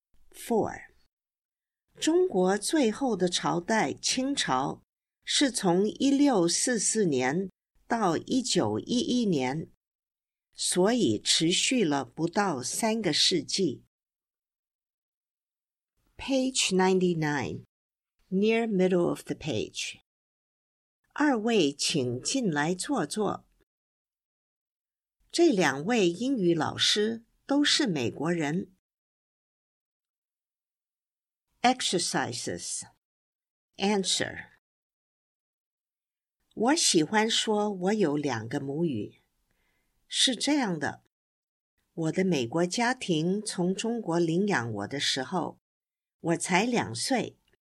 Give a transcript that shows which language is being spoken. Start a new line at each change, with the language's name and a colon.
English: 4.
Chinese: 中国最后的朝代清朝是从1644年到1911年，所以持续了不到3个世纪。
English: Page 99, near middle of the page.
Chinese: 二位请进来坐坐。这两位英语老师都是美国人。
English: Exercises. Answer.
Chinese: 我喜欢说我有两个母语。是这样的，我的美国家庭从中国领养我的时候，我才两岁。